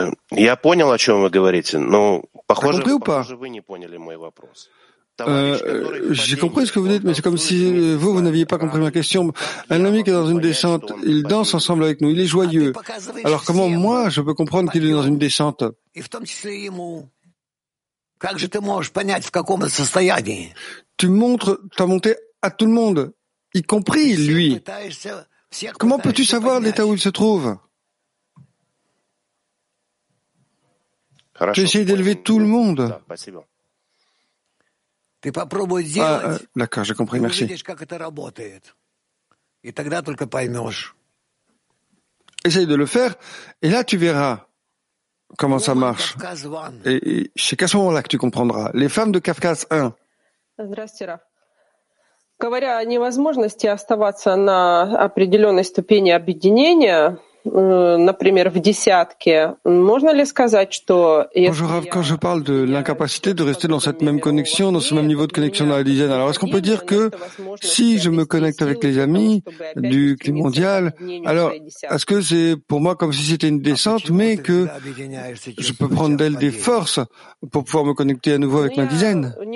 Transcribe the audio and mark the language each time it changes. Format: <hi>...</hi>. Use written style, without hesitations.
<ru>Я понял, о чем вы говорите, но похоже, вы не поняли мой вопрос.</ru> <fr>J'ai compris ce que vous dites, mais c'est comme si vous, vous n'aviez pas compris ma question. Un ami qui est dans une descente, il danse ensemble avec nous, il est joyeux. Alors comment moi, je peux comprendre qu'il est dans une descente? Tu montres ta montée à tout le monde, y compris lui. Comment peux-tu savoir l'état où il se trouve? Tu essayes d'élever tout le monde.</fr> <ru>Ты попробуй сделать,</ru> <fr>ah, compris, merci.</fr> <ru>Увидишь, как это работает. И тогда только поймешь.</ru> <fr>Essaye de le faire, et là tu verras comment ça marche. Et c'est qu'à ce moment-là que tu comprendras. Les femmes de Кавказ 1.</fr> <ru>Здравствуйте, Раф. Говоря о невозможности оставаться на определенной ступени объединения, например, в десятке, можно ли сказать, что...</ru> <fr>Bonjour, Rav, quand je parle de l'incapacité de rester dans cette même connexion, dans ce même niveau de connexion dans la dizaine, alors est-ce qu'on peut dire que si je me connecte avec les amis du climat mondial, alors est-ce que c'est pour moi comme si c'était une descente, mais que je peux prendre d'elle des forces pour pouvoir me connecter à nouveau avec ma dizaine?</fr>